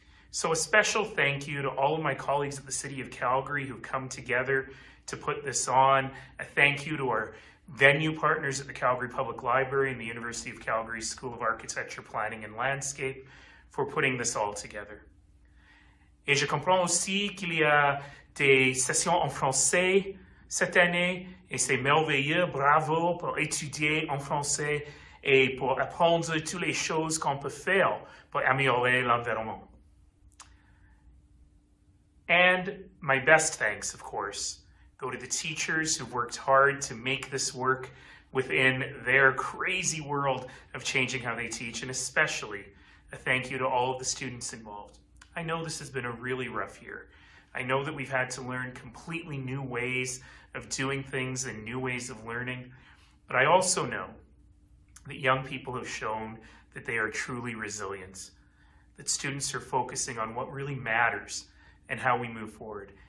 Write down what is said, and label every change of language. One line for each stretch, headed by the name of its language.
English: So a special thank you to all of my colleagues at the City of Calgary who've come together to put this on. A thank you to our venue partners at the Calgary Public Library and the University of Calgary School of Architecture, Planning and Landscape for putting this all together.
French: Et je comprends aussi qu'il y a des sessions en français cette année, et c'est merveilleux, bravo pour étudier en français et pour apprendre toutes les choses qu'on peut faire pour améliorer l'environnement.
English: And my best thanks, of course, go to the teachers who've worked hard to make this work within their crazy world of changing how they teach, and especially a thank you to all of the students involved. I know this has been a really rough year. I know that we've had to learn completely new ways of doing things and new ways of learning, but I also know that young people have shown that they are truly resilient, that students are focusing on what really matters and how we move forward.